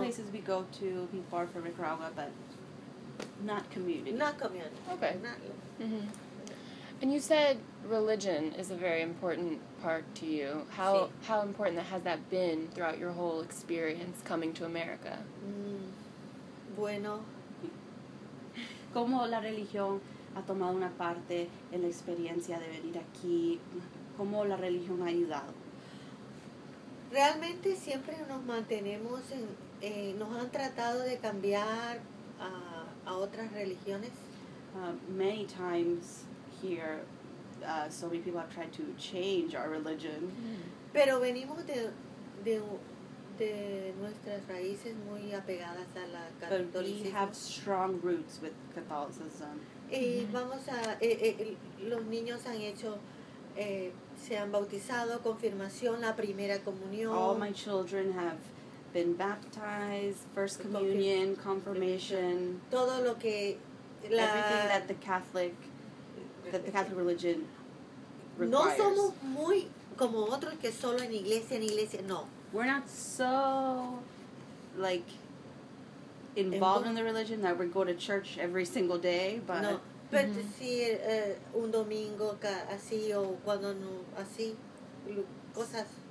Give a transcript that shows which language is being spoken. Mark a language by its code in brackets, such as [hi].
[en] places we go to be far from Nicaragua, but not community. Not community. Okay. Mm-hmm. And you said religion is a very important part to you. How important has that been throughout your whole experience coming to America? [es] Mm. Bueno. ¿Cómo la religión ha tomado una parte en la experiencia de venir aquí? ¿Cómo la religión ha ayudado? Realmente siempre nos mantenemos en, nos han tratado de cambiar a otras religiones. [en] Many times here, so many people have tried to change our religion. Mm-hmm. [es] Pero venimos de nuestras raíces muy apegadas a la catolicismo. [en] But we have strong roots with Catholicism. [es] Y vamos a, los niños han hecho... se han bautizado, confirmación, la primera comunión. [en] All my children have been baptized, first communion, confirmation. [es] Todo lo que la... [en] Everything that the Catholic that the Catholic religion requires. [es] No somos muy como otros que solo en iglesia, no. [en] We're not so, like, involved in the religion that we go to church every single day, but... [es] No, pero decir un domingo así o cuando no, así, cosas...